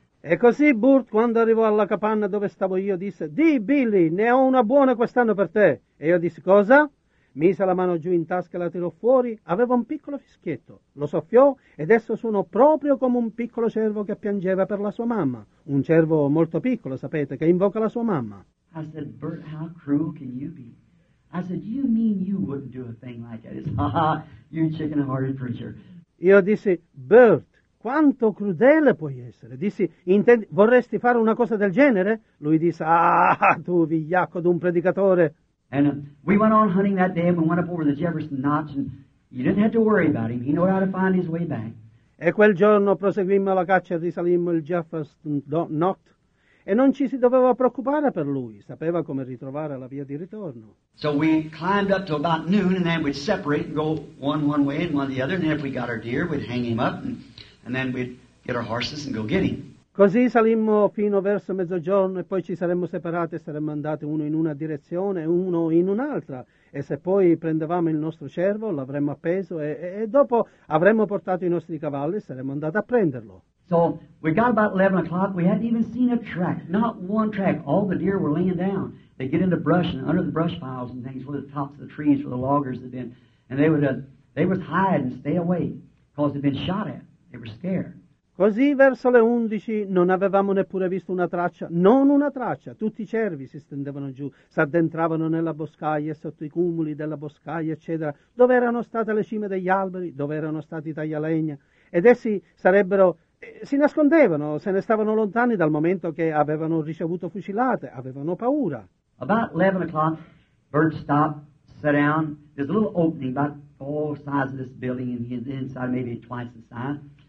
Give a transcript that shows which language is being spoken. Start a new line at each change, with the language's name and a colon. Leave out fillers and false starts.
Italian: E così Bert, quando arrivò alla capanna dove stavo io, disse, "Di, Billy, ne ho una buona quest'anno per te." E io dissi, "Cosa?" Mise la mano giù in tasca e la tirò fuori. Aveva un piccolo fischietto. Lo soffiò ed esso suonò proprio come un piccolo cervo che piangeva per la sua mamma. Un cervo molto piccolo, sapete, che invoca la sua mamma.
English: I said, "Bert, how cruel can you be?" I said, "Do you mean you wouldn't do a thing like that?" "Ha, you chicken-hearted preacher."
Italian: Io dissi, "Bert, quanto crudele puoi essere?" Dissi, "Intendi, vorresti fare una cosa del genere?" Lui disse, "Ah, tu vigliacco d'un predicatore."
English: And we went on hunting that day and we went up over the Jefferson Notch and you didn't have to worry about him. He knew how to find his way back.
Italian: E quel giorno proseguimmo la caccia e risalimmo il Jefferson Notch e non ci si doveva preoccupare per lui. Sapeva come ritrovare la via di ritorno.
English: So we climbed up to about noon and then we'd separate and go one way and one the other. And then if we got our deer, we'd hang him up and then we'd get our horses and go get him.
Italian: Così salimmo fino verso mezzogiorno e poi ci saremmo separati e saremmo andati uno in una direzione e uno in un'altra. E se poi prendevamo il nostro cervo, l'avremmo appeso e dopo avremmo portato i nostri cavalli e saremmo andati a prenderlo.
English: So we got about 11 o'clock, we hadn't even seen a track, not one track. All the deer were laying down. They'd get in the brush and under the brush piles and things with the tops of the trees where the loggers had been. And they would hide and stay away because they'd been shot at. They were scared.
Italian: Così verso le 11 non avevamo neppure visto una traccia, non una traccia. Tutti i cervi si stendevano giù, s'addentravano nella boscaglia, sotto i cumuli della boscaglia, eccetera, dove erano state le cime degli alberi, dove erano stati i taglialegna. Ed essi sarebbero, si nascondevano, se ne stavano lontani dal momento che avevano ricevuto fucilate, avevano paura.
English: About 11 o'clock, Bert stopped, sat down. There's a little opening about all size of this building and he's inside maybe twice the size.